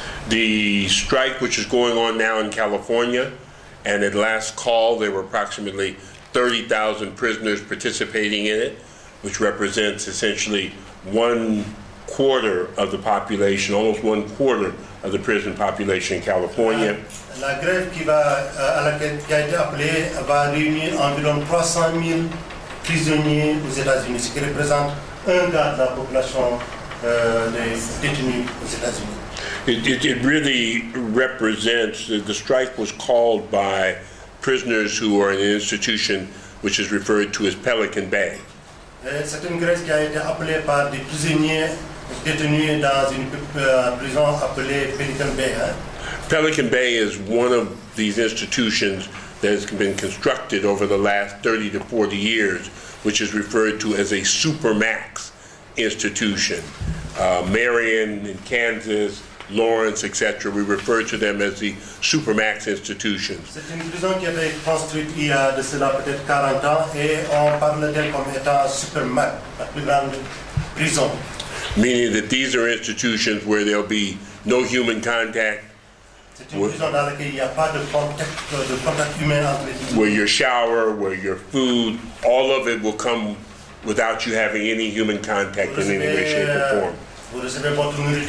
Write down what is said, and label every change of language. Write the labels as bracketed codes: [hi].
[en] The strike, which is going on now in California, and at last call, there were approximately 30,000 prisoners participating in it, which represents essentially one quarter of the population, almost one quarter of the prison population in California. [fr] La grève qui a été appelée va réunir environ 300 000 prisonniers aux États-Unis, ce qui représente un quart de la population des détenus aux États-Unis. [en] It really represents, the strike was called by prisoners who are in an institution which is referred to as Pelican Bay. [fr] C'est une grève qui a été appelée par des prisonniers détenus dans une prison appelée Pelican Bay. [en] Pelican Bay is one of these institutions that has been constructed over the last 30 to 40 years, which is referred to as a supermax institution. Marion in Kansas, Lawrence, etc., we refer to them as the supermax institutions. [fr] C'est une prison qui a été construite il y a de cela peut-être 40 ans et on parle d'elle comme étant supermax, la plus grande prison. [en] Meaning that these are institutions where there'll be no human contact. Where your shower, where your food, all of it will come without you having any human contact in any way, shape, or form.